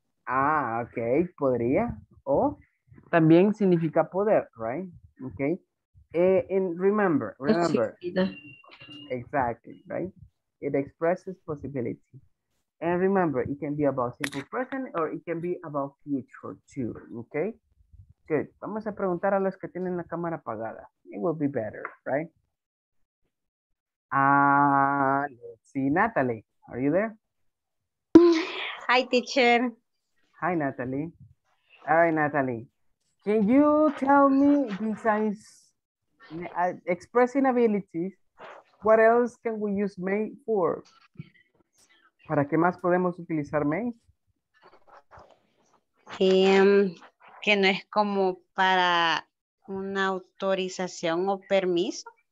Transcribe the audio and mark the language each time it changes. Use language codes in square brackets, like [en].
[es] Ah, ok, podría. O también significa poder, right? Ok. [en] And remember, remember. Exactly, right? It expresses possibility. And remember, it can be about simple present or it can be about future too, ok? Good. [es] Vamos a preguntar a los que tienen la cámara apagada. [en] It will be better, right? Let's see, Natalie, are you there? Hi, teacher. Hi, Natalie. All right, Natalie. Can you tell me, besides expressing abilities, what else can we use may for? [es] ¿Para qué más podemos utilizar may? Que no es como para una autorización o permiso.